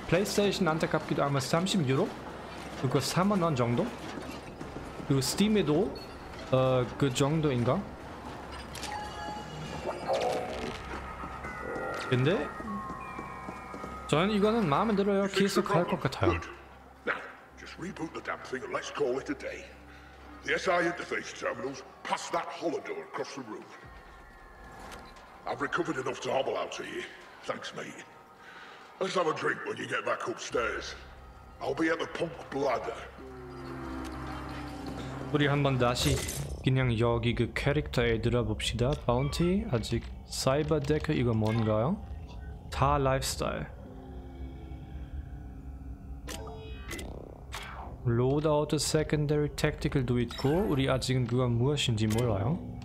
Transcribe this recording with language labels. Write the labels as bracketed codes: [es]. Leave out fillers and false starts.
[ko] 플레이스테이션 안타깝기도 아마 30유로? 그거 3만원 정도? 그리고 스팀에도 그 정도인가? 근데 저는 이거는 마음에 들어요. 계속 할 것 같아요. [en] Just reboot the damn thing and let's call it a day. The SI interface terminals past that holodoor across the room. I've recovered enough to hobble out to you. Thanks, mate. Let's have a drink when you get back upstairs. I'll be at the pump bladder. [ko] 우리 한번 다시 그냥 여기 그 캐릭터에 들어봅시다. 바운티 아직 사이버 데크 이거 뭔가요? 다 라이프스타일. 로드아웃 세컨더리 택티컬도 있고 우리 아직은 그거 무엇인지 몰라요.